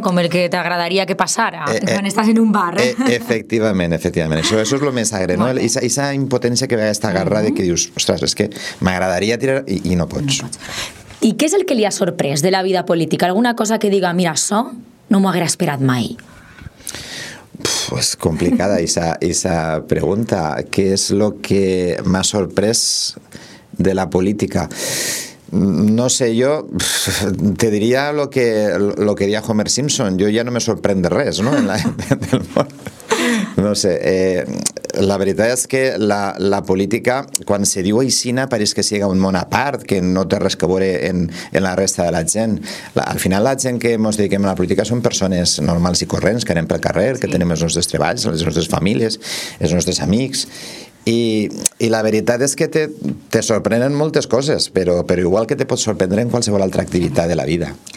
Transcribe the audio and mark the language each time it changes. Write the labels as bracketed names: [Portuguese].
[Catalan] Com el que t'agradaria que passara quan estàs en un bar. Efectivament, això és el més agre, no? Esa impotència que ve a esta garra de que dius, ostres, és que m'agradaria tirar i no pots. I què és el que li ha sorprès de la vida política? Alguna cosa que diga, mira, això no m'ho haguera esperat mai. [Spanish] Pues complicada esa pregunta. [Catalan] Què és el que m'ha sorprès de la política? No sé, jo te diria lo que diria Homer Simpson. Jo ja no me sorprèn de res, no? En el món. No sé, la veritat és que la política, quan se diu aixina, pareix que siga un món a part, que no té res que veure en la resta de la gent. Al final, la gent que ens dediquem a la política són persones normals i corrents, que anem pel carrer, sí, que tenim els nostres treballs, les nostres famílies, els nostres amics, i la veritat és que te sorprenen moltes coses, però igual que te pots sorprendre en qualsevol altra activitat de la vida.